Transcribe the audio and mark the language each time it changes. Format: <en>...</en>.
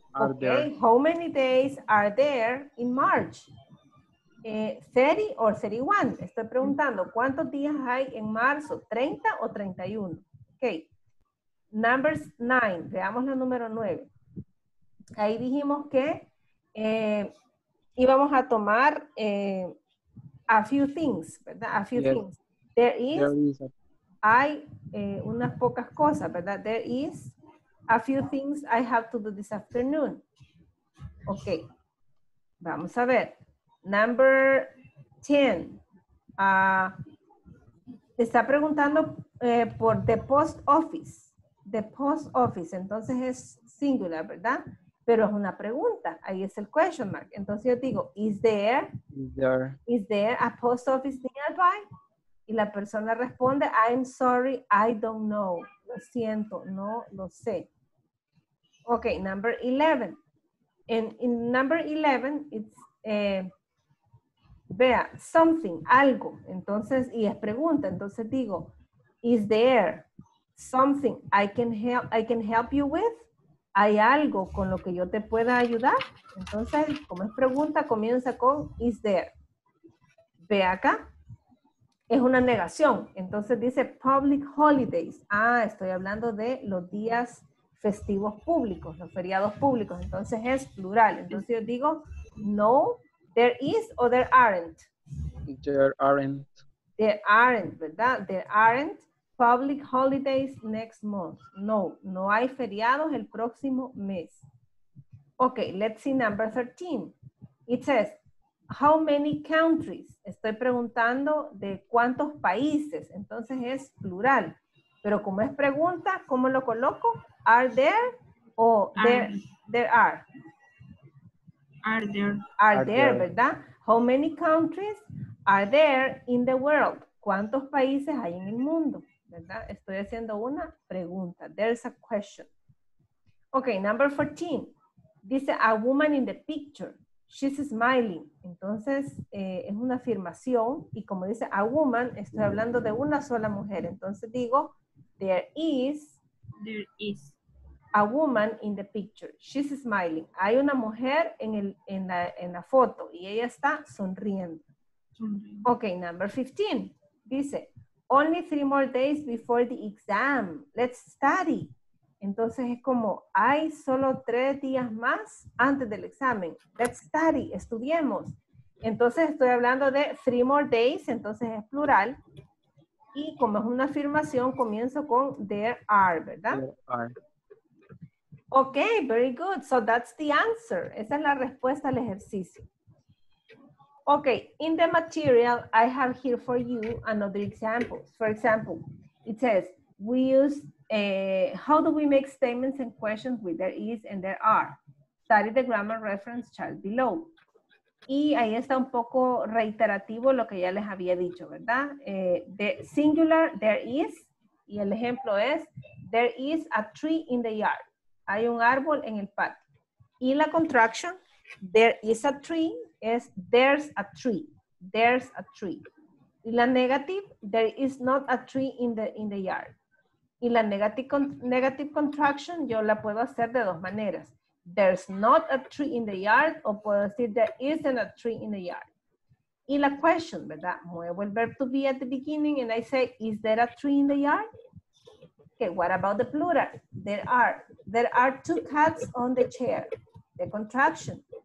<en>Okay, how many days are there in March? 30 or 31,</en> <es>estoy preguntando, ¿cuántos días hay en marzo? ¿30 o 31? Ok, numbers 9, veamos la número 9. Ahí dijimos que y vamos a tomar</es> <en>a few things,</en> <es>¿verdad?</es> <en>A few things. There is</en> <es>hay unas pocas cosas, ¿verdad?</es> <en>There is a few things I have to do this afternoon.</en> <es>Ok. Vamos a ver.</es> <en>Number 10.</en> <es>Te está preguntando por</es> <en>the post office. The post office.</en> <es>Entonces es singular, ¿verdad? Pero es una pregunta. Ahí es el question mark. Entonces yo digo,</es> <en>is there a post office nearby?</en> <es>Y la persona responde,</es> <en>I'm sorry, I don't know.</en> <es>Lo siento, no lo sé. Ok, number 11.</es> <en>In number 11, it's, vea, something, algo.</en> <es>Entonces, y es pregunta. Entonces digo,</es> <en>is there something I can help you with?</en> <es>¿Hay algo con lo que yo te pueda ayudar? Entonces, como es pregunta, comienza con</es> <en>is there.</en> <es>Ve acá. Es una negación. Entonces dice public holidays. Ah, estoy hablando de los días festivos públicos, los feriados públicos. Entonces es plural. Entonces yo digo no,</es> <en>there is</en> <es>o</es> <en>there aren't. There aren't. There aren't,</en> <es>¿verdad?</es> <en>There aren't public holidays next month.</en> <es>No, no hay feriados el próximo mes. Ok,</es> <en>let's see number 13. It says, how many countries?</en> <es>Estoy preguntando de cuántos países. Entonces es plural. Pero como es pregunta, ¿cómo lo coloco?</es> <en>Are there o there are? Are there,</en> <es>¿verdad?</es> <en>How many countries are there in the world?</en> <es>¿Cuántos países hay en el mundo? ¿Verdad? Estoy haciendo una pregunta.</es> <en>There's a question. Ok, number 14.</en> <es>Dice</es> <en>a woman in the picture. She's smiling.</en> <es>Entonces, es una afirmación. Y como dice</es> <en>a woman,</en> <es>estoy hablando de una sola mujer. Entonces digo,</es> <en>there is a woman in the picture. She's smiling.</en> <es>Hay una mujer en la foto y ella está sonriendo.</es> <en>Mm-hmm. Ok, number 15. Dice, only 3 more days before the exam. Let's study.</en> <es>Entonces es como, hay solo 3 días más antes del examen.</es> <en>Let's study,</en> <es>estudiemos. Entonces estoy hablando de</es> <en>3 more days,</en> <es>entonces es plural. Y como es una afirmación, comienzo con</es> <en>there are,</en> <es>¿verdad?</es> <en>There are. Ok, very good. So that's the answer.</en> <es>Esa es la respuesta al ejercicio.</es> <en>Ok, in the material, I have here for you another example. For example, it says, we use, how do we make statements and questions with there is and there are? Study the grammar reference chart below.</en> <es>Y ahí está un poco reiterativo lo que ya les había dicho, ¿verdad?</es> <en>The singular, there is,</en> <es>y el ejemplo es,</es> <en>there is a tree in the yard.</en> <es>Hay un árbol en el patio. Y la contraction,</es> <en>there is a tree,</en> <es>es</es> <en>there's a tree. There's a tree.</en> <es>Y la</es> <en>negative, there is not a tree in the yard.</en> <es>Y la negative contraction, yo la puedo hacer de dos maneras.</es> <en>There's not a tree in the yard,</en> <es>o puedo decir</es> <en>there isn't a tree in the yard.</en> <es>Y la</es> <en>question,</en> <es>¿verdad? Muevo el</es> <en>verb to be at the beginning and I say, is there a tree in the yard? Okay, what about the plural? There are 2 cats on the chair. The contraction.</en>